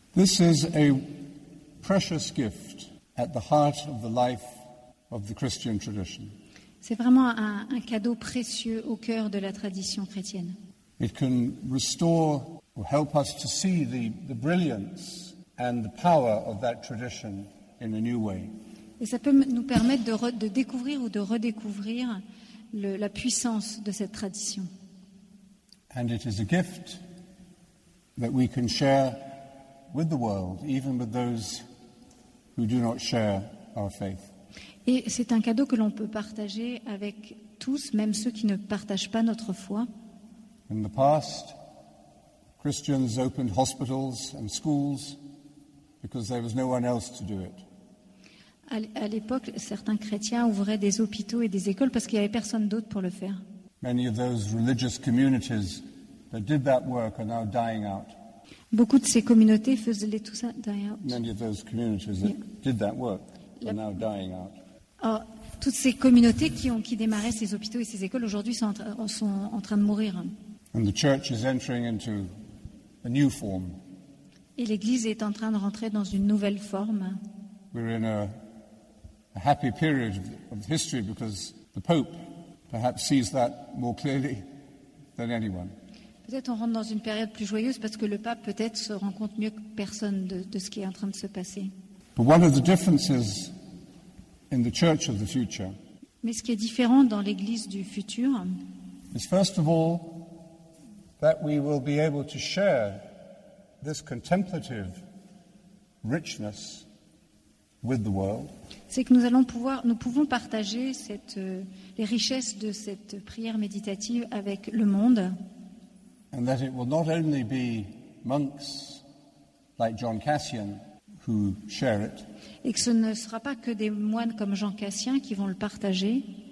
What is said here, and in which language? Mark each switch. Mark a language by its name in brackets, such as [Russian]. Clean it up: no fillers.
[English] This is a precious gift at the heart of the life of the Christian tradition. [French] C'est vraiment un cadeau précieux au cœur de la tradition chrétienne. [English] It can restore or help us to see the brilliance and the power of that tradition in a new way. [French] Et ça peut nous permettre de découvrir ou de redécouvrir la puissance de cette tradition. [English] And it is a gift that we can share with the world, even with those who do not share our faith. [French] Et c'est un cadeau que l'on peut partager avec tous, même ceux qui ne partagent pas notre foi. [English] In the past, Christians opened hospitals and schools because there was no one else to do it. [French] À l'époque, certains chrétiens ouvraient des hôpitaux et des écoles parce qu'il n'y avait personne d'autre pour le faire. [English] Many of those religious communities that did that work are now dying out. [French] Beaucoup de ces communautés faisaient tout ça [English] dying out. Many of those communities that did that work are now dying out. [French] Toutes ces communautés qui démarraient ces hôpitaux et ces écoles aujourd'hui sont en train de mourir. [English] And the church is entering into a new form. [French] Et l'Église est en train de rentrer dans une nouvelle forme. [English] We're in a happy period of history because the Pope perhaps sees that more clearly than anyone. [French] Peut-être on rentre dans une période plus joyeuse parce que le pape peut-être se rend compte mieux que personne de ce qui est en train de se passer. [English] But one of the differences in the church of the future. [French] Mais ce qui est différent dans l'Église du futur. [English] Is first of all that we will be able to share this contemplative richness with the world. [French] C'est que nous pouvons partager les richesses de cette prière méditative avec le monde. [English] And that it will not only be monks like John Cassian who share it. [French] Et que ce ne sera pas que des moines comme Jean Cassien qui vont le partager.